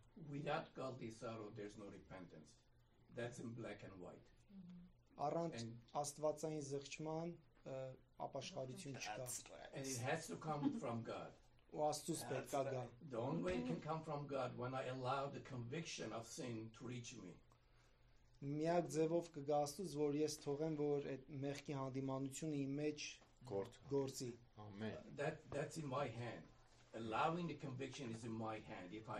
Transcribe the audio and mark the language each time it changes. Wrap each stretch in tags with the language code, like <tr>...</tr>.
<en>without godly sorrow there's no repentance, that's in black and white,</en> <hy>առանց աստվածային զղջման ապաշխարություն չկա,</hy> <en>and it has to come from god,</en> <hy>ու աստծուս պետք է գա,</hy> <en>the only way it can come from god when I allow the conviction of sin to reach me,</en> <hy>միակ ձևով կգա աստծուս, որ ես թողեմ որ այդ մեղքի հանդիմանությունը իմ մեջ գործի, ամեն,</hy> <en>that's in my hand, allowing the conviction is in my hand, if I</en>